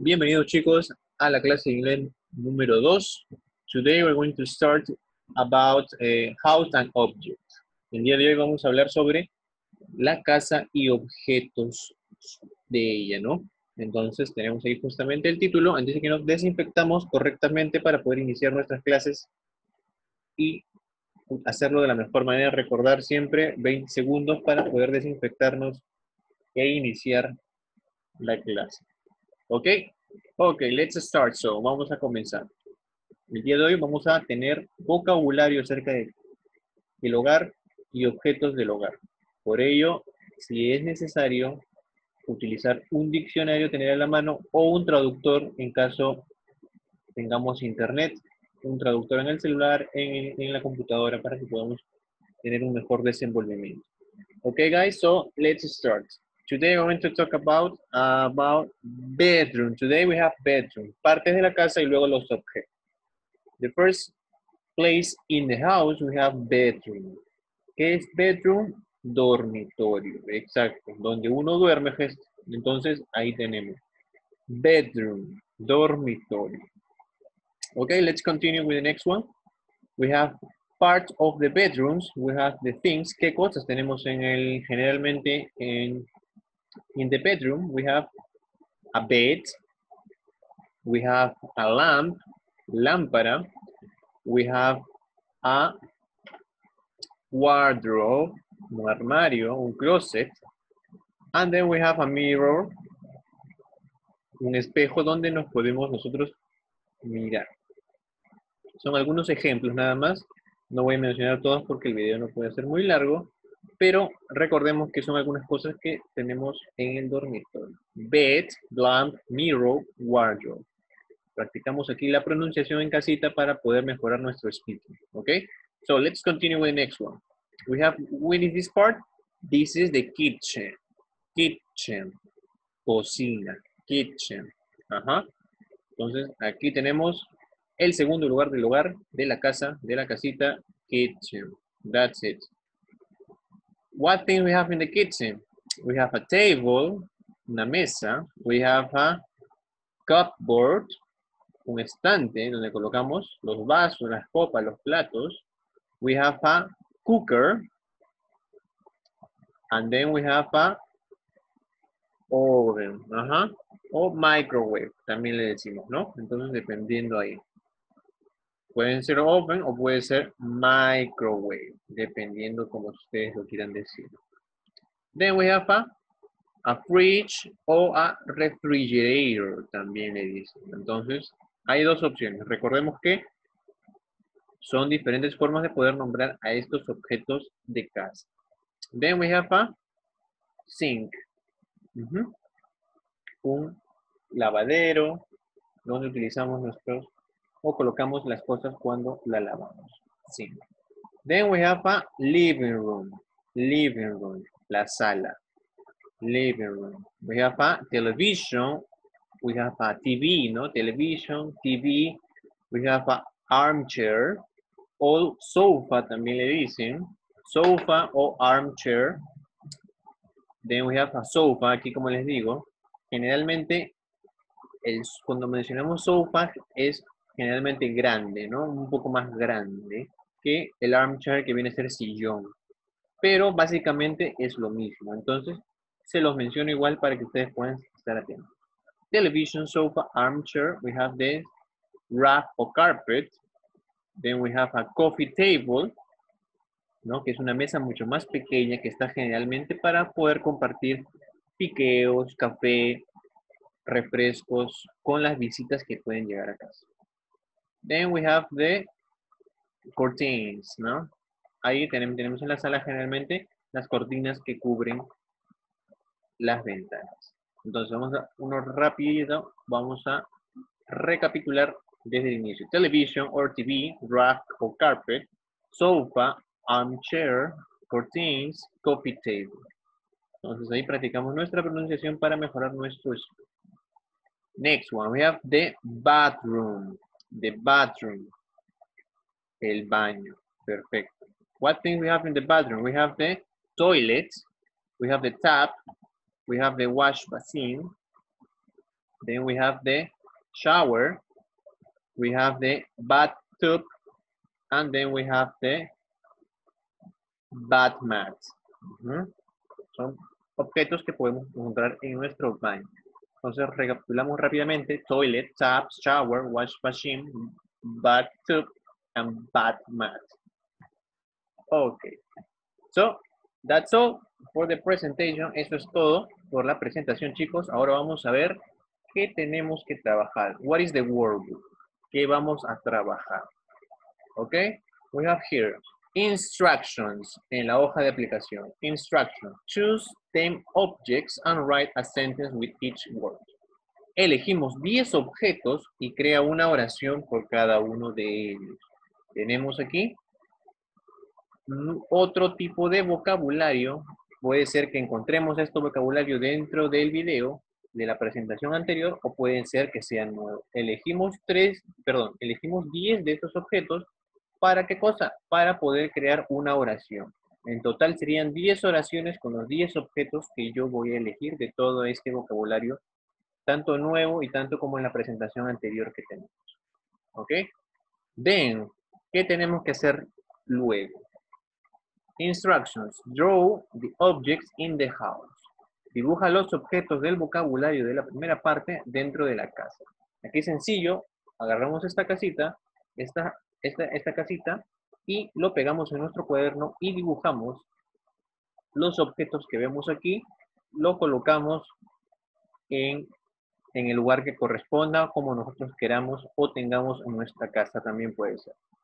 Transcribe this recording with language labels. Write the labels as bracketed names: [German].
[Spanish] Bienvenidos, chicos, a la clase de inglés número 2. [English] Today we're going to start about house and objects. [Spanish] El día de hoy vamos a hablar sobre la casa y objetos de ella, ¿no? Entonces tenemos ahí justamente el título. Antes de que nos desinfectamos correctamente para poder iniciar nuestras clases y hacerlo de la mejor manera, recordar siempre 20 segundos para poder desinfectarnos e iniciar la clase. ¿Ok? [English] Ok, let's start. [Spanish] So, vamos a comenzar. El día de hoy vamos a tener vocabulario acerca del hogar y objetos del hogar. Por ello, si es necesario, utilizar un diccionario, tener a la mano, o un traductor en caso tengamos internet, un traductor en el celular, en la computadora, para que podamos tener un mejor desenvolvimiento. [English] Ok, guys, so let's start. Today we're going to talk about bedroom. Today we have bedroom. [Spanish] Partes de la casa y luego los objetos. [English] The first place in the house we have bedroom. [Spanish] ¿Qué es bedroom? Dormitorio. Exacto. Donde uno duerme, entonces ahí tenemos. Bedroom. Dormitorio. [English] Okay, let's continue with the next one. We have part of the bedrooms. We have the things. [Spanish] ¿Qué cosas tenemos en el generalmente en... [English] In the bedroom, we have a bed, we have a lamp, lámpara, we have a wardrobe, [Spanish] un armario, un closet, [English] and then we have a mirror, [Spanish] un espejo donde nos podemos nosotros mirar. Son algunos ejemplos nada más, no voy a mencionar todos porque el video no puede ser muy largo. Pero recordemos que son algunas cosas que tenemos en el dormitorio. [English] Bed, lamp, mirror, wardrobe. [Spanish] Practicamos aquí la pronunciación en casita para poder mejorar nuestro speaking. Ok. [English] So let's continue with the next one. We have, what is this part? This is the kitchen. Kitchen. Cocina. Kitchen. Ajá. [Spanish] Entonces aquí tenemos el segundo lugar del hogar, de la casa, de la casita. [English] Kitchen. That's it. What things we have in the kitchen? We have a table, [Spanish] una mesa. [English] We have a cupboard, [Spanish] un estante donde colocamos los vasos, las copas, los platos. [English] We have a cooker. And then we have a oven. [Spanish] O microwave, también le decimos, ¿no? Entonces, dependiendo ahí. Pueden ser oven o puede ser microwave, dependiendo como ustedes lo quieran decir. [English] Then we have a fridge o a refrigerator, [Spanish] también le dicen. Entonces, hay dos opciones. Recordemos que son diferentes formas de poder nombrar a estos objetos de casa. [English] Then we have a sink. [Spanish] Un lavadero donde utilizamos nuestros... O colocamos las cosas cuando la lavamos. Sí. [English] Then we have a living room. Living room. [Spanish] La sala. [English] Living room. We have a television. We have a TV, ¿no? Television, TV. We have a armchair. [Spanish] O sofa, también le dicen. Sofa o armchair. [English] Then we have a sofa. [Spanish] Aquí, como les digo, generalmente, cuando mencionamos sofa, es... generalmente grande, ¿no? Un poco más grande que el armchair, que viene a ser sillón. Pero básicamente es lo mismo. Entonces, se los menciono igual para que ustedes puedan estar atentos. [English] Television, sofa, armchair. We have the rug or carpet. Then we have a coffee table, ¿no? [Spanish] Que es una mesa mucho más pequeña que está generalmente para poder compartir piqueos, café, refrescos con las visitas que pueden llegar a casa. [English] Then we have the curtains, ¿no? [Spanish] Ahí tenemos en la sala generalmente las cortinas que cubren las ventanas. Entonces vamos a uno rapidito, vamos a recapitular desde el inicio. [English] Television or TV, rug or carpet, sofa, armchair, curtains, coffee table. [Spanish] Entonces ahí practicamos nuestra pronunciación para mejorar nuestro español. [English] Next one, we have the bathroom. The bathroom, [Spanish] el baño, perfecto. [English] What things we have in the bathroom? We have the toilet, we have the tap, We have the wash machine. Then we have the shower. We have the bathtub. And then we have the bath mat. [Spanish] Son objetos que podemos encontrar en nuestro baño. Entonces, recapitulamos rápidamente. [English] Toilet, tap, shower, wash machine, bathtub, and bath mat. Okay. So, that's all for the presentation. [Spanish] Eso es todo por la presentación, chicos. Ahora vamos a ver qué tenemos que trabajar. [English] What is the workbook? [Spanish] ¿Qué vamos a trabajar? [English] Okay. We have here instructions [Spanish] en la hoja de aplicación. [English] Instruction. Choose 10 objects and write a sentence with each word. [Spanish] Elegimos 10 objetos y crea una oración por cada uno de ellos. Tenemos aquí otro tipo de vocabulario. Puede ser que encontremos este vocabulario dentro del video de la presentación anterior o pueden ser que sean nuevos. Elegimos 10 de estos objetos. ¿Para qué cosa? Para poder crear una oración. En total serían 10 oraciones con los 10 objetos que yo voy a elegir de todo este vocabulario, tanto nuevo y tanto como en la presentación anterior que tenemos. ¿Ok? Then, ¿qué tenemos que hacer luego? [English] Instructions. Draw the objects in the house. [Spanish] Dibuja los objetos del vocabulario de la primera parte dentro de la casa. Aquí es sencillo. Agarramos esta casita, esta casita, y lo pegamos en nuestro cuaderno y dibujamos los objetos que vemos aquí, lo colocamos en el lugar que corresponda, como nosotros queramos o tengamos en nuestra casa, también puede ser.